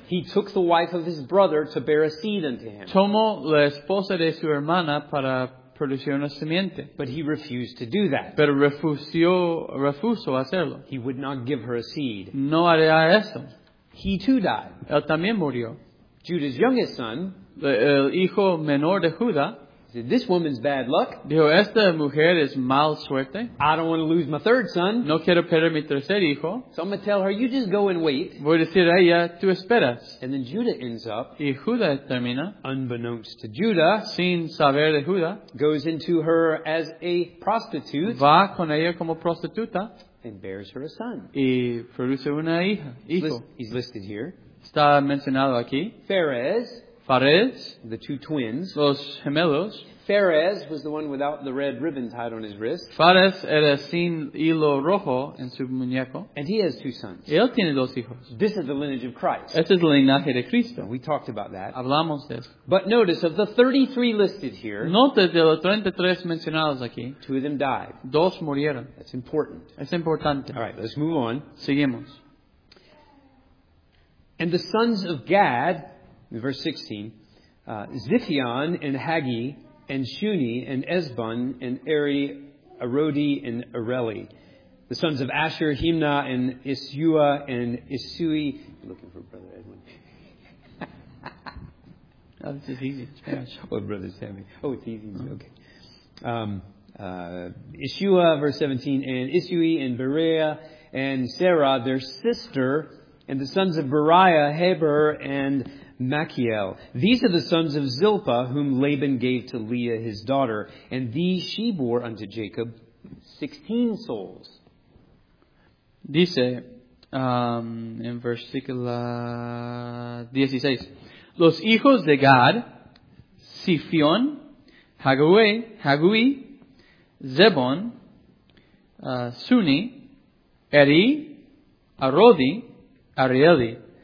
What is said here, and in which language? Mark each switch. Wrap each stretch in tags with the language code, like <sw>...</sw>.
<en>He took the wife of his brother to bear a seed unto him.</en> <es>Tomó la esposa de su hermana para producir una simiente.</es> <en>But he refused to do that.</en> <es>Pero refusó hacerlo.</es> <en>He would not give her a seed.</en> <es>No haría eso.</es> <en>He too died.</en> <es>Él también murió.</es> <en>Judah's youngest son,</en> <es>el hijo menor de Judá,</es> <en>said, this woman's bad luck.</en> <es>Dijo, esta mujer es mal suerte.</es> <en>I don't want to lose my third son.</en> <es>No quiero perder mi tercer hijo.</es> <en>So I'm going to tell her, you just go and wait.</en> <es>Voy a decir a ella, tú esperas.</es> <en>And then Judah ends up,</en> <es>y Judah termina,</es> <en>unbeknownst to Judah,</en> <es>sin saber de Judah,</es> <en>goes into her as a prostitute.</en> <es>Va con ella como prostituta.</es> <en>And bears her a son.</en> <es>Y produce una hija, hijo.</es> <en>He's listed here.</en> <es>Está mencionado aquí.</es> <en>Fares, the two twins,</en> <es>los gemelos.</es> <en>Fares was the one without the red ribbon tied on his wrist.</en> <es>Fares era sin hilo rojo en su muñeco.</es> <en>And he has two sons.</en> <es>Y él tiene dos hijos.</es> <en>This is the lineage of Christ.</en> <es>Este es el linaje de Cristo.</es> <en>We talked about that.</en> <es>Hablamos de eso.</es> <en>But notice, of the 33 listed here,</en> <es>note de los 33 mencionados aquí,</es> <en>two of them died.</en> <es>Dos murieron.</es> <en>That's important.</en> <es>Es importante.</es> <en>All right, let's move on.</en> <es>Seguimos.</es> <en>And the sons of Gad, verse 16, Ziphion and Haggi and Shuni and Esbon and Eri, Arodi and Areli, the sons of Asher, Himna and Isua and Isui. I'm looking for Brother Edwin. Oh, this is easy. Oh, Brother Sammy. Oh, it's easy. Mm-hmm. Okay. Isua, verse 17, and Isui and Berea and Sarah, their sister, and the sons of Beriah, Heber and Machiel. These are the sons of Zilpah, whom Laban gave to Leah his daughter, and these she bore unto Jacob 16 souls.</en> <es>Dice en versículo 16. Los hijos de Gad, Sifion, Hagui, Zebon, Suni, Eri, Arodi, Arieli.</es>